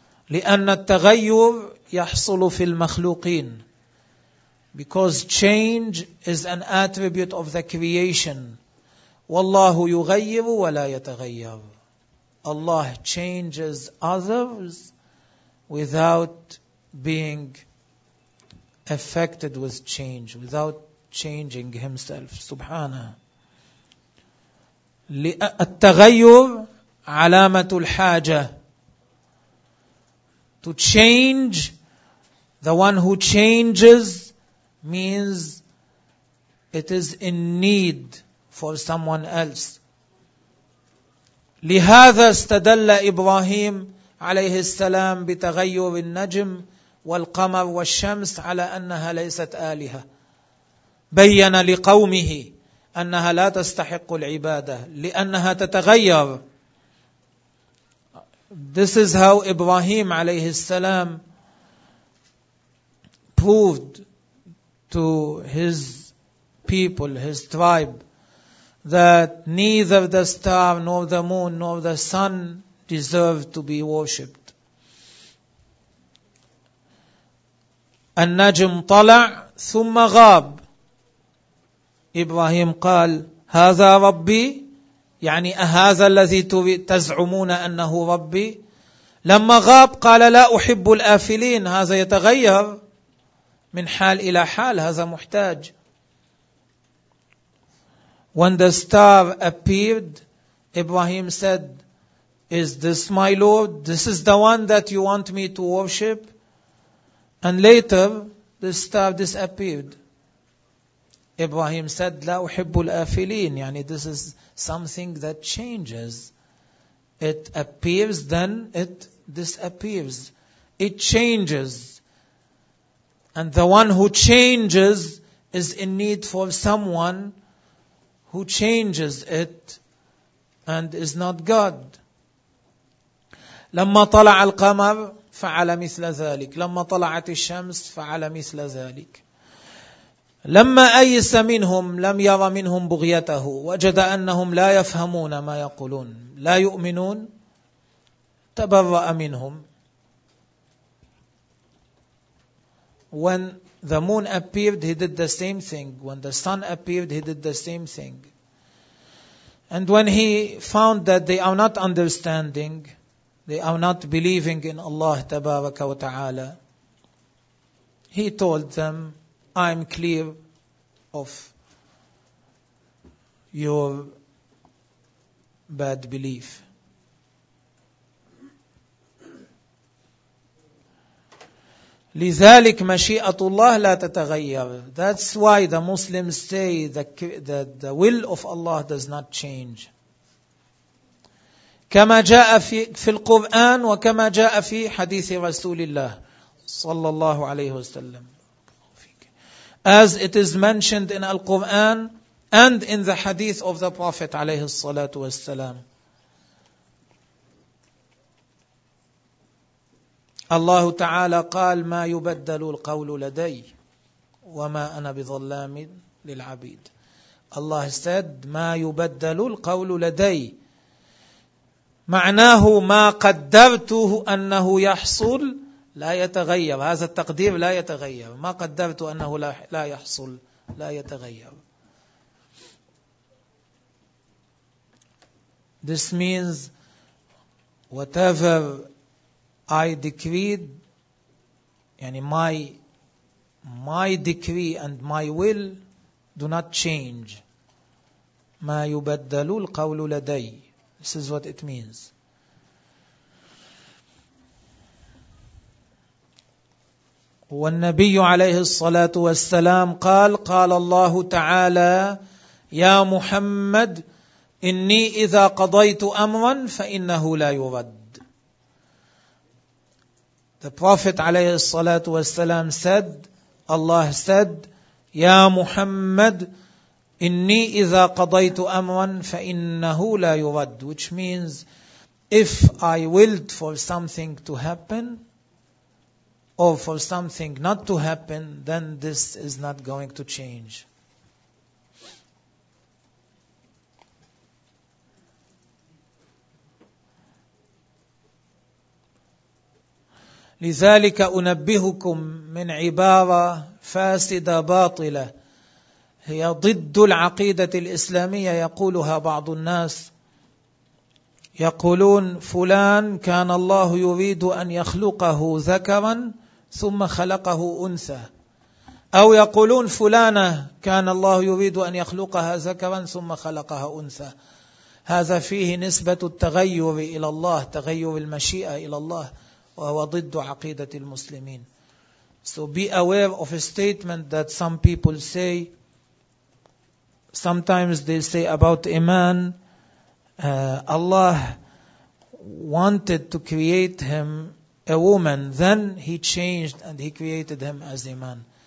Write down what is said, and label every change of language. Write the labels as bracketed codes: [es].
[ar] لأن التغير يحصل في المخلوقين. [en] Because change is an attribute of the creation. [ar] وَاللَّهُ يُغَيِّرُ وَلَا يَتَغَيَّرُ. [en] Allah changes others without being affected with change, without changing Himself. [ar] سبحانه. التغير علامة الحاجة. [en] To change, the one who changes means it is in need for someone else. [ar] لهذا استدل إبراهيم عليه السلام بتغير النجم والقمر والشمس على أنها ليست آلهة. بين لقومه أنها لا تستحق العبادة لأنها تتغير. [en] This is how Ibrahim [ar] عليه السلام [en] proved to his people, his tribe, that neither the star nor the moon nor the sun deserve to be worshipped. [ar] النجم طلع ثم غاب. Ibrahim قال هذا ربي يعني أهذا الذي تزعمون أنه ربي. لما غاب قال لا أحب الآفلين. هذا يتغير من حال إلى حال. هذا محتاج. [en] When the star appeared, Ibrahim said, is this my Lord? This is the one that you want me to worship? And later, the star disappeared. Ibrahim said, [ar] لا أحب الآفلين. يعني [en] this is something that changes. It appears, then it disappears. It changes. And the one who changes is in need for someone who changes it and is not God. [ar] لما طلع القمر فعل مثل ذلك. لما طلعت الشمس فعل مثل ذلك. لما أيس منهم لم ير منهم بغيته وجد أنهم لا يفهمون ما يقولون لا يؤمنون تبرأ منهم. [en] When the moon appeared, he did the same thing. When the sun appeared, he did the same thing. And when he found that they are not understanding, they are not believing in Allah [ar] Tabaraka wa Ta'ala, [en] he told them, I'm clear of your bad belief. [ar] لذلك مشيئة الله لا تتغير. [en] That's why the Muslims say that the will of Allah does not change. [ar] كما جاء في القرآن وكما جاء في حديث رسول الله صلى الله عليه وسلم. [en] As it is mentioned in Al-Quran and in the hadith of the Prophet [ar] عليه الصلاة والسلام. الله تعالى قال ما يبدل القول لدي وما أنا بظلام للعبيد. الله [en] said [ar] ما يبدل القول لدي معناه ما قدرته أنه يحصل لا يتغير. هذا التقدير لا يتغير. ما قدرته أنه لا يحصل لا يتغير. [en] This means whatever I decreed, [ar] yani [en] my decree and my will do not change. [ar] ما يبدل القول لدي. [en] This is what it means. [ar] والنبي عليه الصلاة والسلام قال قال الله تعالى يا محمد إني إذا قضيت أمرا فإنه لا يرد. [en] The Prophet [ar] عليه الصلاة والسلام [en] said, Allah said, [ar] يا محمد إني إذا قضيت أمرا فإنه لا يرد. [en] Which means, if I willed for something to happen or for something not to happen, then this is not going to change. [ar] لذلك أنبهكم من عبارة فاسدة باطلة هي ضد العقيدة الإسلامية يقولها بعض الناس. يقولون فلان كان الله يريد أن يخلقه ذكرا ثم خلقه أنثى. أو يقولون فلانة كان الله يريد أن يخلقها ذكرا ثم خلقها أنثى. هذا فيه نسبة التغير إلى الله, تغير المشيئة إلى الله, وهو ضد عقيدة المسلمين. [en] So be aware of a statement that some people say. Sometimes they say about a man, Allah wanted to create him a woman, then he changed and he created him as a man.